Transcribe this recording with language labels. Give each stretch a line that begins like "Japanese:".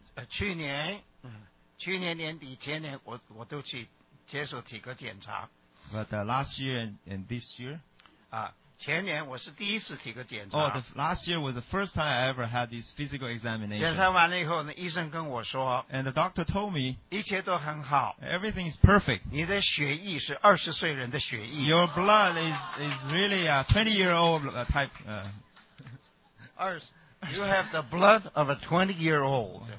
Chinese: 去年年底前年我都去接受体格检查。
English: But last year and this year?
Chinese: 前年我是第一次体格检查。
English: Oh, last year was the first time I ever had this physical examination.
Chinese: 检查完了以后呢，医生跟我说。
English: And the doctor told me.
Chinese: 一切都很好。
English: Everything is perfect.
Chinese: 你的血液是二十岁人的血液。
English: Your blood is really a 20-year-old type. You have the blood of a 20-year-old.